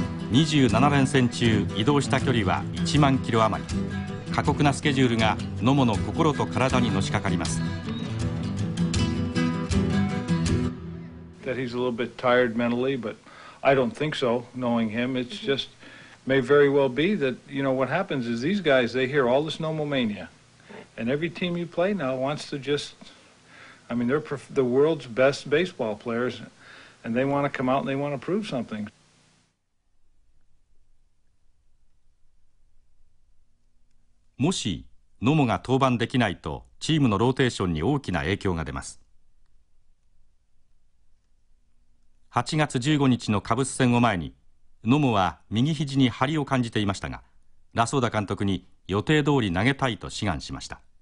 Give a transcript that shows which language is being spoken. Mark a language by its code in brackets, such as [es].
[ja] 27連戦中、移動した距離は1万キロ余り。過酷なスケジュールが野茂の心と体にのしかかります。 [en] That he's a little bit tired mentally, but I don't think so, knowing him. It's just may very well be that, you know, what happens is these guys, they hear all this nomomania. And every team you play now wants to just, I mean, they're the world's best baseball players, and they want to come out and they want to prove something. [ja] もし野茂が登板できないと、チームのローテーションに大きな影響が出ます。 8月15日のカブス戦を前に、野茂は右肘に張りを感じていましたが、ラソーダ監督に予定通り投げたいと志願しました。